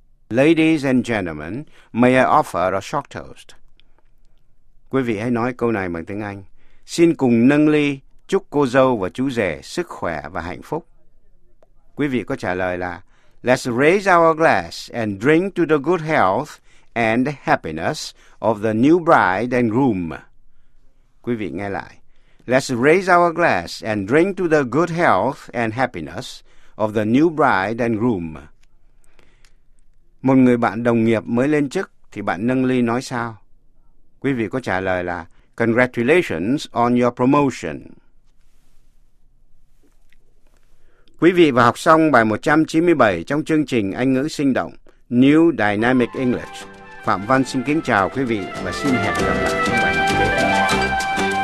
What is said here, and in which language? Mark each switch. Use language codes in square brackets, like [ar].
[en] Ladies and gentlemen, may I offer a short toast? [vi] Quý vị hãy nói câu này bằng tiếng Anh. Xin cùng nâng ly chúc cô dâu và chú rể sức khỏe và hạnh phúc. Quý vị có trả lời là: [en] Let's raise our glass and drink to the good health and happiness of the new bride and groom. [vi] Quý vị nghe lại. [en] Let's raise our glass and drink to the good health and happiness of the new bride and groom. [vi] Một người bạn đồng nghiệp mới lên chức thì bạn nâng ly nói sao? Quý vị có trả lời là: [en] Congratulations on your promotion. [vi] Quý vị vừa học xong bài 197 trong chương trình Anh ngữ sinh động New Dynamic English. Phạm Văn xin kính chào quý vị và xin hẹn gặp lại trong bài học tiếp theo.